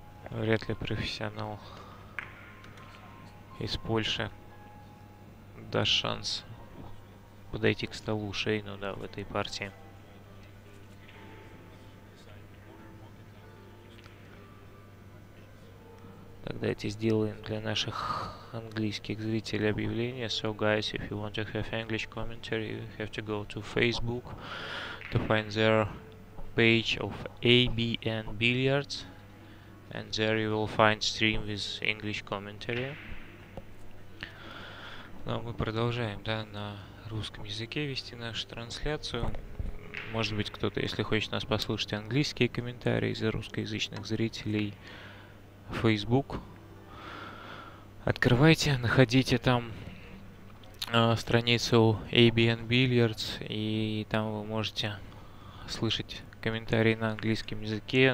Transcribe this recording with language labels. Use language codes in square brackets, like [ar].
[ru] Вряд ли профессионал из Польши даст шанс подойти к столу Шейну, да, в этой партии. Так, давайте сделаем для наших английских зрителей объявление. [en] So guys, if you want to have English commentary, you have to go to Facebook to find their page of ABN Billiards, and there you will find stream with English commentary. [ru] Ну, мы продолжаем, да, на русском языке вести нашу трансляцию. Может быть, кто-то, если хочет нас послушать, английские комментарии за русскоязычных зрителей Facebook. Открывайте, находите там страницу ABN Billiards, и там вы можете слышать комментарии на английском языке.